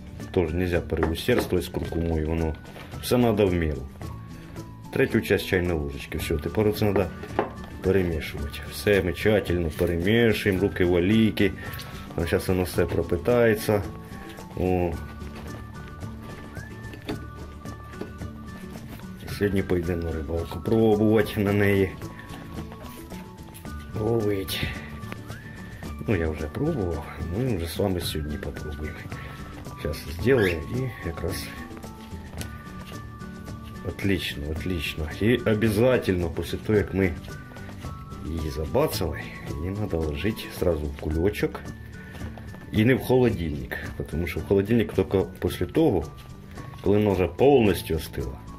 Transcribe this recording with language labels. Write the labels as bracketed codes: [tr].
[ru] Тоже нельзя переусердствовать с куркумой, воно все надо в меру. Третью часть чайной ложечки, все, тепер це надо перемешивать. [uk] Все, ми тщательно перемешуємо, руки в олійки. Зараз воно все пропитається. О. Сьогодні пойде на рибалку пробувати на неї. Ловить. Ну, я вже пробував, ну і вже з вами сьогодні попробуємо. [ru] Сейчас сделаем и как раз отлично. И обязательно после того, как мы ее забацали, ее надо ложить сразу в кулечок и не в холодильник. Потому что в холодильник только после того, когда она уже полностью остыла.